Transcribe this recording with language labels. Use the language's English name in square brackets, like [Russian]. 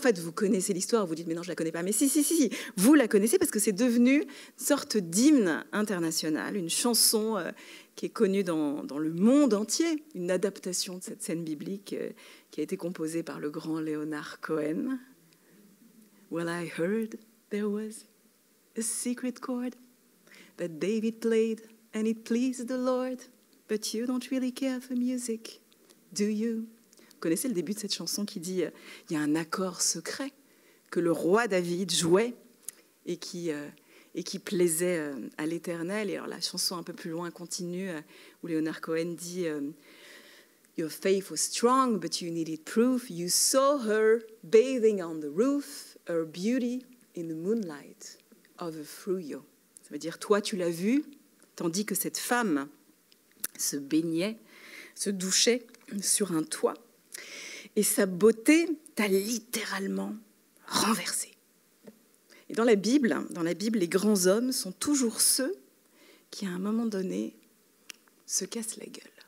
[French] En fait, vous connaissez l'histoire, vous dites, mais non, je ne la connais pas. Mais si, vous la connaissez parce que c'est devenu une sorte d'hymne international, une chanson qui est connue dans le monde entier, une adaptation de cette scène biblique qui a été composée par le grand Leonard Cohen. [English] Well, I heard there was a secret chord that David played and it pleased the Lord, but you don't really care for music, do you? [French] Vous connaissez le début de cette chanson qui dit il y a un accord secret que le roi David jouait et qui plaisait à l'Éternel. Et alors la chanson un peu plus loin continue où Leonard Cohen dit [English] your faith was strong, but you needed proof. You saw her bathing on the roof, her beauty in the moonlight overthrew you. [French] Ça veut dire, toi, tu l'as vue, tandis que cette femme se baignait, se douchait sur un toit. Et sa beauté t'a littéralement renversée. Et dans la Bible, les grands hommes sont toujours ceux qui, à un moment donné, se cassent la gueule.